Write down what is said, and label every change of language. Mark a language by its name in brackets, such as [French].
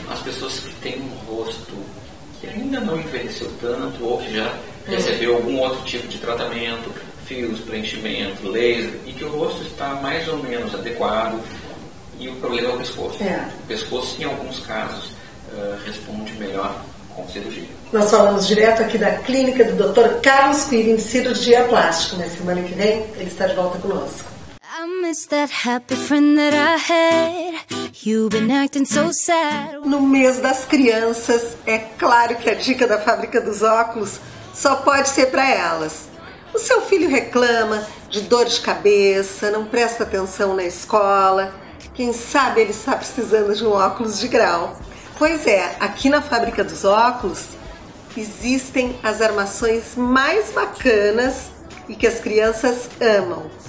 [Portuguese] As pessoas que têm um rosto que ainda não envelheceu tanto ou que já recebeu algum outro tipo de tratamento, fios, preenchimento, laser, e que o rosto está mais ou menos adequado, e o problema é o pescoço. É. O pescoço, em alguns casos, responde melhor com cirurgia. Nós falamos direto aqui da clínica do Dr. Carlos Quirin, cirurgia plástica. Na semana que vem, ele está de volta conosco. [English] I miss that happy friend that I had. You've been acting so sad. [Portuguese] No mês das crianças, é claro que a dica da fábrica dos óculos só pode ser para elas. O seu filho reclama de dor de cabeça, não presta atenção na escola. Quem sabe ele está precisando de um óculos de grau. Pois é, aqui na fábrica dos óculos existem as armações mais bacanas e que as crianças amam.